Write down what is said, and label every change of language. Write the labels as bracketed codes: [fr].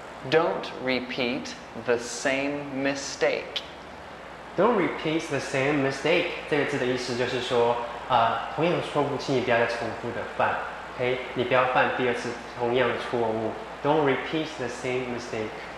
[en] Don't repeat the same mistake. Don't repeat the same mistake [zh] 这个字的意思就是说，同样的错误，请你不要再重复的犯。 OK， 你不要犯第二次同样的错误。 [en] Don't repeat the same mistake.